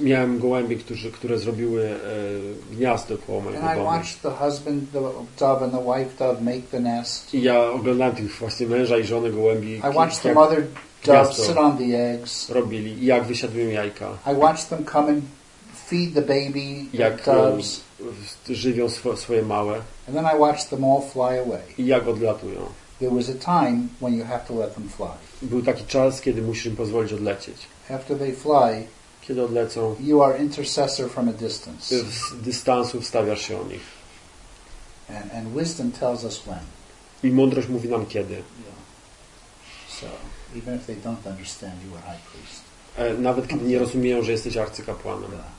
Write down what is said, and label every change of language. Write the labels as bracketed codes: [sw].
[pl] Miałem gołębie, które zrobiły gniazdo koło mojego domu. [en] And I watched the husband the dove and the wife dove make the nest. [pl] I ja oglądałem tych właśnie męża i żony gołębi. [en] I watched the mother doves sit on the eggs. [pl] Robili i jak wysiadują jajka. [en] I watched them come and feed the baby [pl] jak [en] doves. [pl] Żywią swoje małe. [en] And then I watched them all fly away. [pl] I jak odlatują. [en] There was a time when you have to let them fly. [pl] Był taki czas, kiedy musisz im pozwolić odlecieć. [en] After they fly, [pl] kiedy odlecą. [en] You are intercessor from a distance. [pl] Z dystansu wstawiasz się o nich. [en] And wisdom tells us when. [pl] I mądrość mówi nam kiedy. [en] So, even if they don't understand, you are high priest. [pl] Nawet kiedy nie rozumieją, że jesteś arcykapłanem.